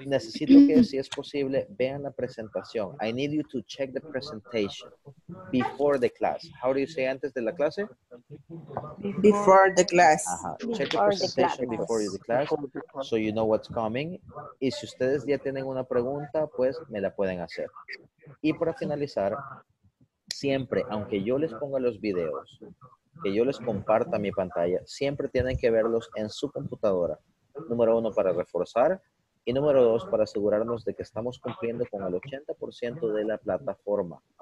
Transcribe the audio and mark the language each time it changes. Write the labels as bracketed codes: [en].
[es] Necesito que, si es posible, vean la presentación. [en] I need you to check the presentation before the class. How do you say [es] antes de la clase? [en] Before the class. Uh-huh. Check before the presentation before the class so you know what's coming. [es] Y si ustedes ya tienen una pregunta, pues me la pueden hacer. Y para finalizar, siempre, aunque yo les ponga los videos, que yo les comparta mi pantalla, siempre tienen que verlos en su computadora. Número uno, para reforzar. Y número dos, para asegurarnos de que estamos cumpliendo con el 80% de la plataforma.